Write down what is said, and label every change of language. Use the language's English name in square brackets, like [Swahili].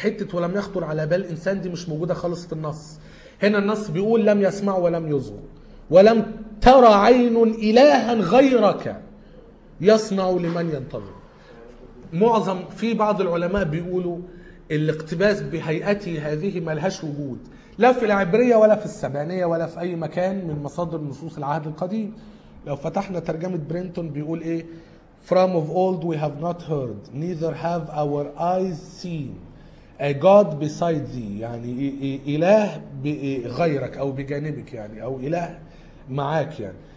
[Arabic] حتة ولم يخطر على بال إنسان دي مش موجودة خالص في النص. هنا النص بيقول لم يسمع ولم يصغ ولم تر عين إلها غيرك يصنع لمن ينتظر. معظم في بعض العلماء بيقولوا الاقتباس بهيئتي هذه ملهاش وجود لا في العبرية ولا في السبانية ولا في أي مكان من مصادر نصوص العهد القديم. لو فتحنا ترجمة برينتون بيقول إيه [English] From of old we have not heard neither have our eyes seen a God beside thee. [Arabic] يعني إله بغيرك أو بجانبك يعني أو إله معاك يعني.